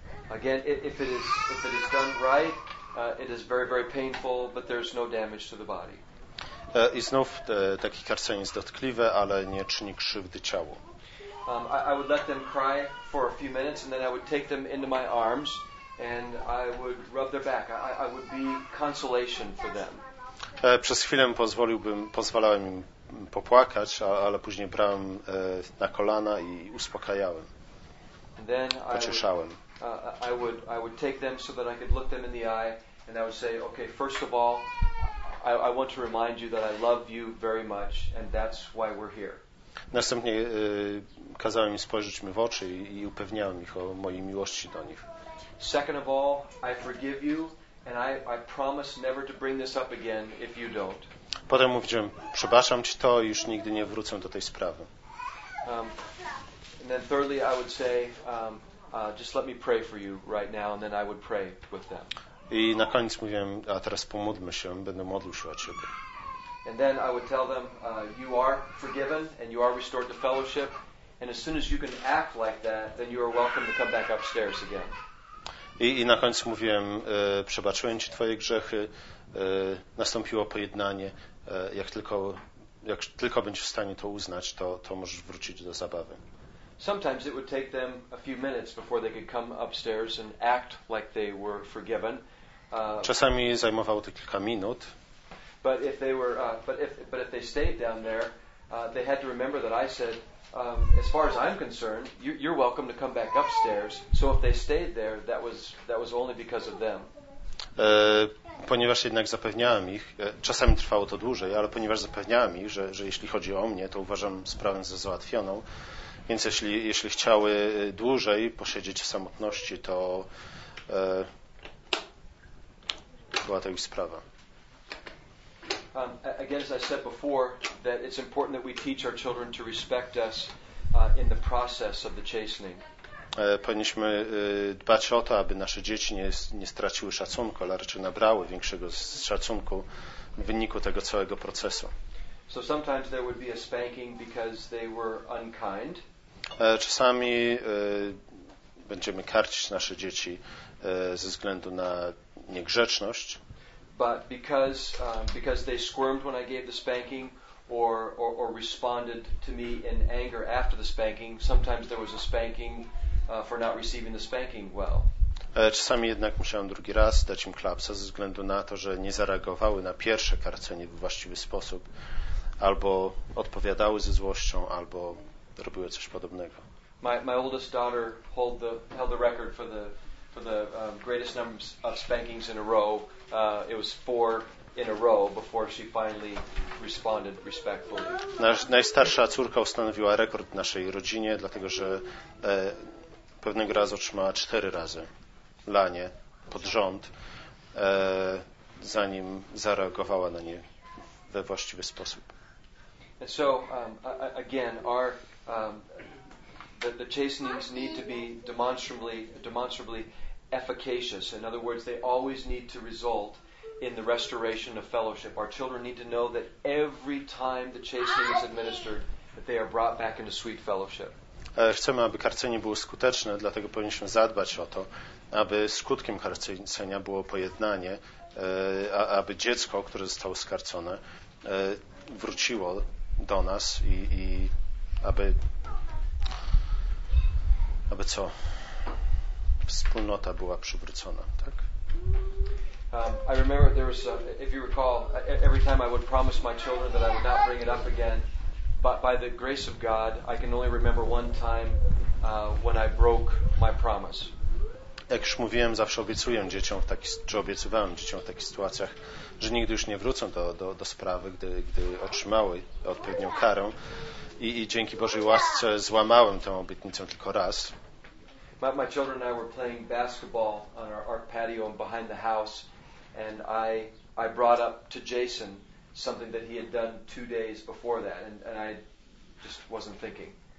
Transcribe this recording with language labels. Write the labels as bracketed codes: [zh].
[en] Again, if it is done right, it is very, very painful, but there's no damage to the body. [pl] I znów taki karcenie jest dotkliwe, ale nie czyni krzywdy ciału. [en] I would let them cry for a few minutes, and then I would take them into my arms, and I would rub their back. I would be consolation for them. [pl] Przez chwilę pozwalałem im popłakać, ale później brałem na kolana i uspokajałem. pocieszałem. [en] I would take them so that I could look them in the eye and I would say, okay, first of all, I want to remind you that I love you very much and that's why we're here. [pl] Następnie kazałem im spojrzeć mi w oczy i upewniałem ich o mojej miłości do nich. [en] Second of all, I forgive you and I promise never to bring this up again if you don't. [pl] Potem mówiłem, przepraszam ci to i już nigdy nie wrócę do tej sprawy. [en] And then thirdly, I would say, just let me pray for you right now, and then I would pray with them. [pl] I na koniec mówiłem, a teraz pomódlmy się, będę modlił się o ciebie. [en] And then I would tell them, you are forgiven and you are restored to fellowship, and as soon as you can act like that, then you are welcome to come back upstairs again. [pl] I na koniec mówiłem, przebaczyłem ci twoje grzechy, nastąpiło pojednanie, jak tylko będziesz w stanie to uznać, to możesz wrócić do zabawy. [en] Sometimes it would take them a few minutes before they could come upstairs and act like they were forgiven. [pl] Czasami zajmowało to kilka minut. [en] But if they were but if they stayed down there, they had to remember that I said, as far as I'm concerned, you're welcome to come back upstairs. So if they stayed there, that was only because of them. [pl] Ponieważ jednak zapewniałem ich, czasami trwało to dłużej, ale ponieważ zapewniałem ich, że jeśli chodzi o mnie, to uważam sprawę za załatwioną. Więc jeśli chciały dłużej posiedzieć w samotności, to była to ich sprawa. [en] Again, as I said before, that it's important that we teach our children to respect us in the process of the chastening. [pl] Powinniśmy dbać o to, aby nasze dzieci nie straciły szacunku, ale raczej nabrały większego szacunku w wyniku tego całego procesu. [en] So sometimes there would be a spanking because they were unkind. [pl] Czasami będziemy karcić nasze dzieci ze względu na niegrzeczność. [en] But because they squirmed when I gave the spanking or responded to me in anger after the spanking, sometimes there was a spanking for not receiving the spanking well. [pl] Czasami jednak musiałem drugi raz dać im klapsa ze względu na to, że nie zareagowały na pierwsze karcenie w właściwy sposób, albo odpowiadały ze złością, albo robiły coś podobnego. [en] My oldest daughter held the record for the greatest number of spankings in a row. It was 4 in a row before she finally responded respectfully. [pl] Najstarsza córka ustanowiła rekord w naszej rodzinie, dlatego że pewnego razu otrzymała 4 razy lanie pod rząd, zanim zareagowała na nie we właściwy sposób. [en] And so again, our the chastenings need to be demonstrably efficacious. In other words, they always need to result in the restoration of fellowship. Our children need to know that every time the chastening is administered, that they are brought back into sweet fellowship. [pl] Chcemy, aby karcenie było skuteczne, dlatego powinniśmy zadbać o to, aby skutkiem karcenia było pojednanie, aby dziecko, które zostało skarcone, wróciło do nas i aby co? Wspólnota była przywrócona, tak? [en] I remember there was if you recall, every time I would promise my children that I would not bring it up again, but by the grace of God, I can only remember one time when I broke my promise. [pl] Jak już mówiłem, zawsze obiecuję dzieciom, czy obiecywałem dzieciom w takich sytuacjach, że nigdy już nie wrócą do sprawy, gdy otrzymały odpowiednią karę. I dzięki Bożej łasce złamałem tę obietnicę tylko raz. [en] My children and I were playing basketball on our patio and behind the house, and I brought up to Jason something that he had done 2 days before that, and I just wasn't thinking.